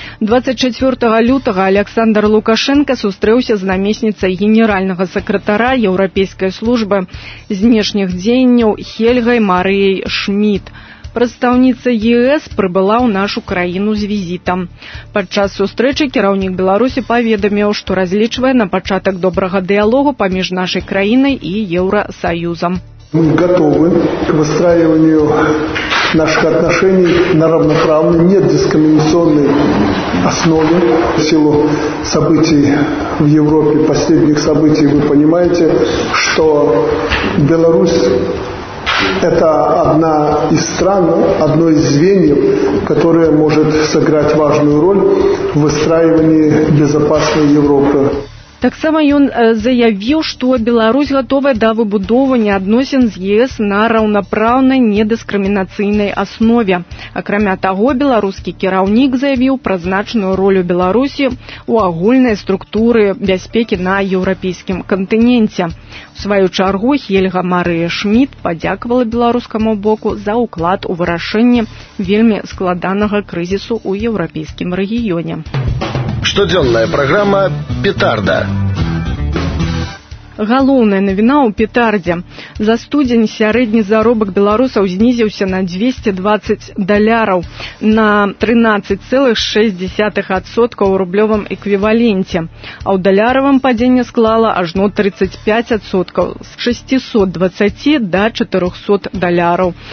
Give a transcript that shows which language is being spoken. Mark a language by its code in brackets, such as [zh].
[be] 24 лютага Александр Лукашэнка сустрэўся з намесніцай генеральнага сакратара Еўрапейскай службы знешніх дзеянняў Хельгай Марыяй Шмідт. Прадстаўніца ЕС прыбыла ў нашу краіну з візітам. Падчас сустрэчы кіраўнік Беларусі паведаміў, што разлічвае на пачатак добрага дыялогу паміж нашай краінай і Еўрасаюзам. [ru] Мы готовы к выстраиванию наших отношений на равноправной, недискриминационной основе. В силу событий в Европе, последних событий, вы понимаете, что Беларусь – это одна из стран, одно из звеньев, которое может сыграть важную роль в выстраивании безопасной Европы. [be] Таксама ён заявіў, што Беларусь гатовая да выбудовання адносін з ЕС на раўнапраўнай недыскрымінацыйнай аснове. Акрамя таго, беларускі кіраўнік заявіў пра значную ролю Беларусі ў агульнай структуры бяспекі на еўрапейскім кантыненце. У сваю чаргу Хельга Марыя Шмідт падзякавала беларускаму боку за ўклад у вырашэнні вельмі складанага крызісу ў еўрапейскім рэгіёне. Штодзённая праграма «Петарда». Галоўная навіна ў «Петардзе». За студзень сярэдні заробак беларусаў знізіўся на 220 даляраў, на 13,6% ў рублёвым эквіваленце, а ў даляравым падзенне склала ажно 35%, з 620 да 400 даляраў.